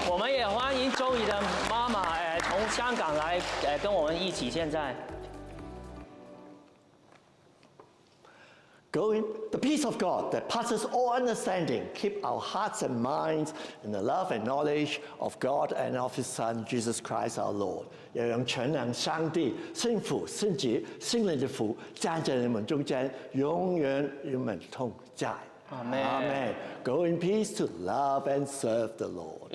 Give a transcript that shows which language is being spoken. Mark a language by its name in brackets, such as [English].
[Chinese] 我们也欢迎 Joey 的妈妈，从香港来，跟我们一起现在。 [English] Go in the peace of God that passes all understanding, keep our hearts and minds in the love and knowledge of God and of His Son, Jesus Christ our Lord. [Chinese] 要让全能上帝圣父、圣子、圣灵的福站在你们中间，永远与你们同在。 [English] Amen. Amen. Go in peace to love and serve the Lord.